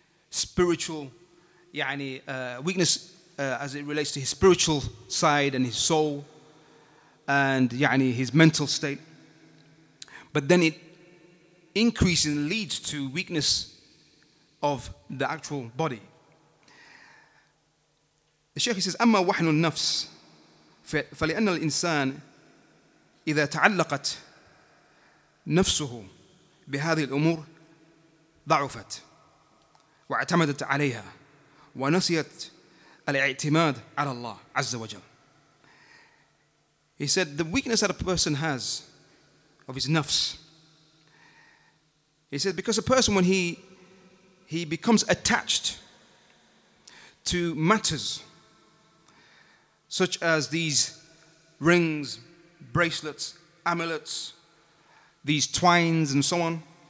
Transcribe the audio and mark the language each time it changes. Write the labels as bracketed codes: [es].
[en] Spiritual, weakness as it relates to his spiritual side and his soul, and his mental state. But then it increases and leads to weakness of the actual body. The Sheikh, he says, [ar] "أما وحن النفس فلأن الإنسان إذا تعلقت نفسه بهذه الأمور ضعفت." واعتمدت عليها ونسيت الاعتماد على الله عز وجل. [en] He said, the weakness that a person has of his nafs, he said, because a person, when he becomes attached to matters such as these rings, bracelets, amulets, these twines and so on,